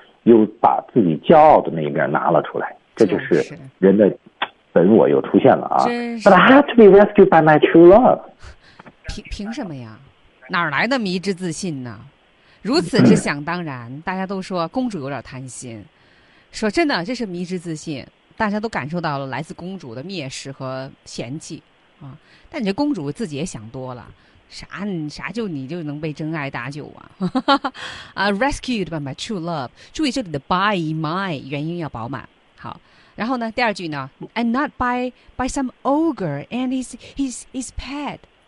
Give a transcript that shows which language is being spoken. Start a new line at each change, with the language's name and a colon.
Chinese: 又把自己骄傲的那一面拿了出来，这就是人的本我又出现了啊！真是
English: ，But I have to be rescued by my true love.
Chinese: 凭什么呀？哪来的迷之自信呢？如此之想当然，大家都说公主有点贪心。说真的，这是迷之自信，大家都感受到了来自公主的蔑视和嫌弃啊！但你这公主自己也想多了。啥就你就能被真爱搭救啊
English: rescued by my true love
Chinese: 注意这里的 by my 原因要饱满好然后呢第二句呢
English: and not by some ogre and his pet